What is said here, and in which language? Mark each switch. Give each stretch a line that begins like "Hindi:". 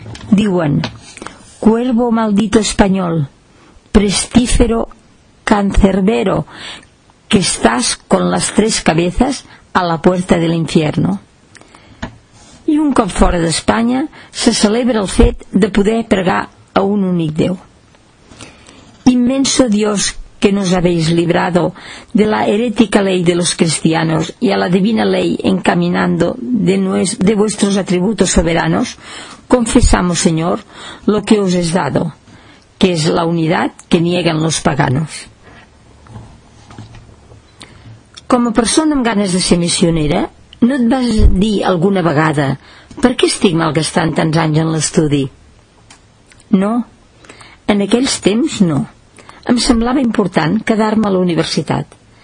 Catalan: Diuen:
Spanish: cuervo maldito español, prestífero cancerbero, que estás con las tres cabezas a la puerta del infierno.
Catalan: I un cop fora d'Espanya se celebra el fet de poder pregar a un únic Déu.
Spanish: Inmenso Dios que nos habéis librado de la herética ley de los cristianos y a la divina ley encaminando de vuestros atributos soberanos, confesamos, Señor, lo que os es dado, que es la unidad que niegan los paganos.
Catalan: Com a persona amb ganes de ser missionera, no et vas dir alguna vegada: per què estic malgastant tants anys en l'estudi? No, en aquells temps no. Em semblava important quedar-me a la universitat.